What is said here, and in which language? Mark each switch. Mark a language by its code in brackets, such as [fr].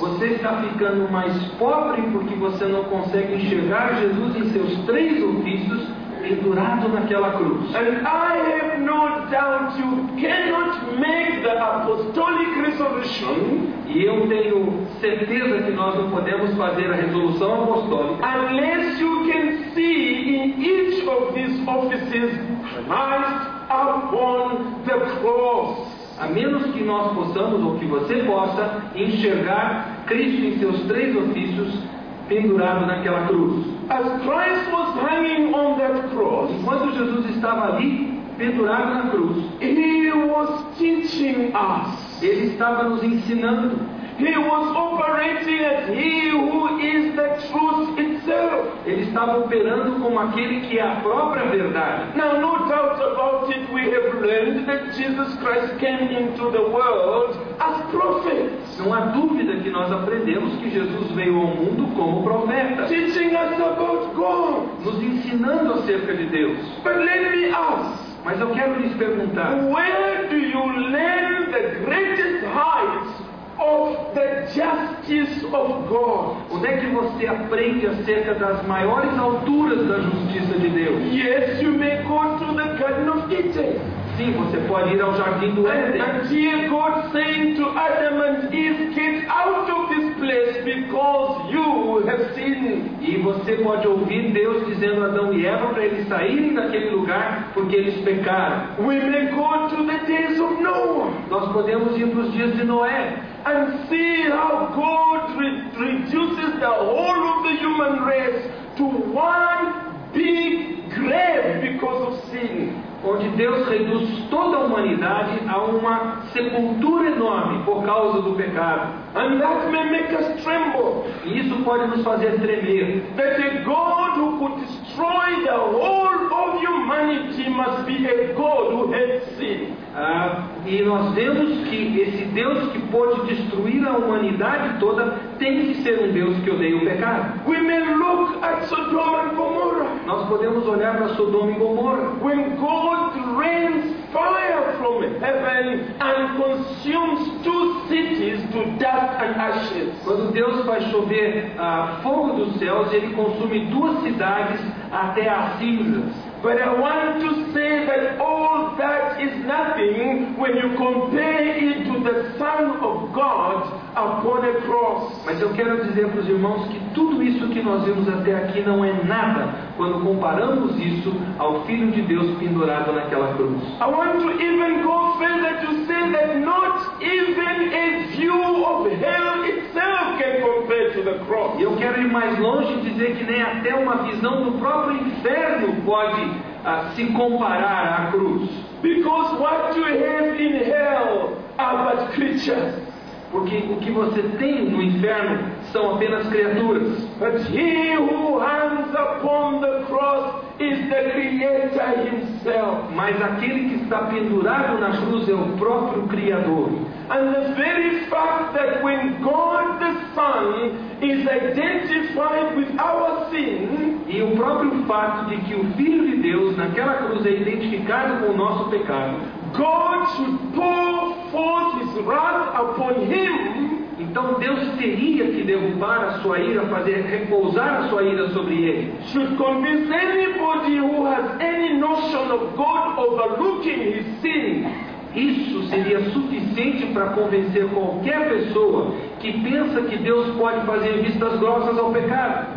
[pt] Você está ficando mais pobre porque você não consegue enxergar Jesus em seus três ofícios pendurado naquela cruz. [en] And I have no doubt you cannot make the apostolic resolution. [pt] E eu tenho certeza que nós não podemos fazer a resolução apostólica. [en] Unless you can see in each of these offices Christ upon the cross. [pt] A menos que nós possamos, ou que você possa, enxergar Cristo em seus três ofícios pendurado naquela cruz. [en] As Christ was hanging on that cross, [pt] enquanto Jesus estava ali pendurado na cruz, [en] He was teaching us. [pt] Ele estava nos ensinando. [en] He was operating as He who is the truth itself. [pt] Ele estava operando como aquele que é a própria verdade. [en] Now, no doubt about it, we have learned that Jesus Christ came into the world as prophet. [pt] Não há dúvida que nós aprendemos que Jesus veio ao mundo como profeta. [en] Teaching us about God. [pt] Nos ensinando acerca de Deus. [en] But let me ask. [pt] Mas eu quero lhes perguntar. [en] Where do you learn the greatest heights of the justice of God? [pt] Onde é que você aprende acerca das maiores alturas da justiça de Deus? [en] Yes, you may go to the Garden of Eden. [pt] Sim, você pode ir ao jardim do Éden. [en] And here God saying to Adam and Eve, get out of this place because you have sinned. [pt] E você pode ouvir Deus dizendo a Adão e Eva para eles saírem daquele lugar porque eles pecaram. [en] We may go to the days of Noah. [pt] Nós podemos ir para os dias de Noé. [en] And see how God reduces the whole of the human race to one big grave because of sin. [pt] Onde Deus reduz toda a humanidade a uma sepultura enorme por causa do pecado. [en] And that may make us tremble. [pt] E isso pode nos fazer tremer. [en] That a God who could destroy the whole of humanity must be a God who had sin. [pt] E nós vemos que esse Deus que pode destruir a humanidade toda tem que ser um Deus que odeia o pecado. [en] We may look at Sodom and Gomorrah. [pt] Nós podemos olhar para Sodoma e Gomorra. [en] When God rains fire from heaven and consumes two cities to dust and ashes. [pt] Quando Deus faz chover fogo dos céus, ele consome duas cidades até as cinzas. [en] But I want to say that all that is nothing when you compare it to the Son of God upon a cross. [pt] Mas eu quero dizer para os irmãos que tudo isso que nós vimos até aqui não é nada quando comparamos isso ao Filho de Deus pendurado naquela cruz. [en] I want to even go further to say that not even a view of hell itself can compare to the cross. [pt] Eu quero ir mais longe e dizer que nem até uma visão do próprio inferno pode se comparar à cruz. [en] Because what you have in hell are but creatures. [pt] Porque o que você tem no inferno são apenas criaturas. [en] But he who hangs upon the cross is the Creator himself. [pt] Mas aquele que está pendurado na cruz é o próprio Criador. [en] And the very fact that when God the Son is identified with our sin, [pt] e o próprio fato de que o Filho de Deus naquela cruz é identificado com o nosso pecado, [en] God should pour forth His wrath upon Him. [pt] Então Deus teria que derrubar a sua ira, fazer repousar a sua ira sobre ele. [en] Should convince anybody who has any notion of God overlooking His sin. [pt] Isso seria suficiente para convencer qualquer pessoa que pensa que Deus pode fazer vistas grossas ao pecado.